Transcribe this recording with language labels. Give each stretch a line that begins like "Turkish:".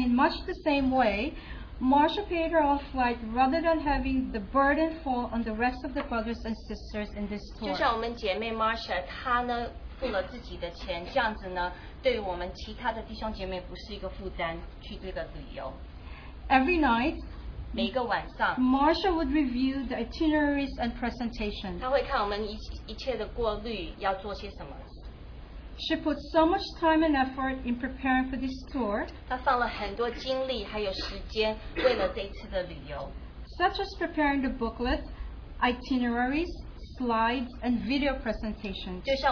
English: in much the same way, Marsha paid her off flight rather than having the burden fall on the rest of the brothers and sisters in this tour.
Chinese: 就像我们姐妹 Marsha, 她呢。付了自己的钱，这样子呢，对我们其他的弟兄姐妹不是一个负担，去这个旅游。
English: Every night,
Chinese: 每个晚上,
English: Marsha would review the itineraries and presentation.
Chinese: 她会看我们一切的过滤，要做些什么。
English: She put so much time and effort in preparing for this tour.
Chinese: 她放了很多精力还有时间为了这一次的旅游。
English: Such as preparing the booklet, itineraries, slides and video presentations.